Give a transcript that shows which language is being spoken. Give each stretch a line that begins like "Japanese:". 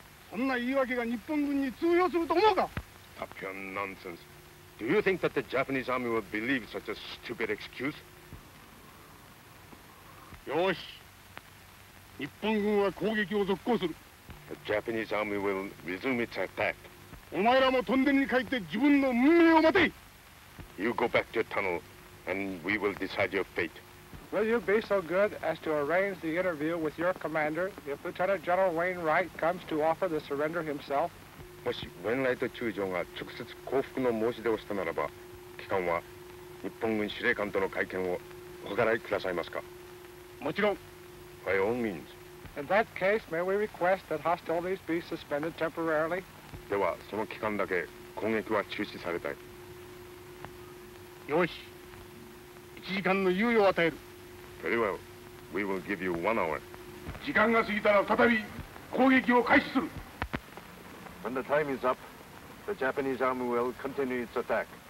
Japanese: そんな言い訳が日本軍に通用すると思うか?
English: That's pure nonsense. Do you think that the Japanese army would believe such a stupid excuse?
Japanese: よし!
English: The Japanese army will resume its attack. You go back to your tunnel, and we will decide your fate. Will you be so good as to arrange the interview with your commander if Lieutenant General Wainwright comes to offer the surrender himself? By all means. In that case, may we request that hostilities be suspended temporarily? Very well. We will give you 1 hour.
Japanese: 時間が過ぎたら再び攻撃を開始する!
English: When the time is up, the Japanese army will continue its attack.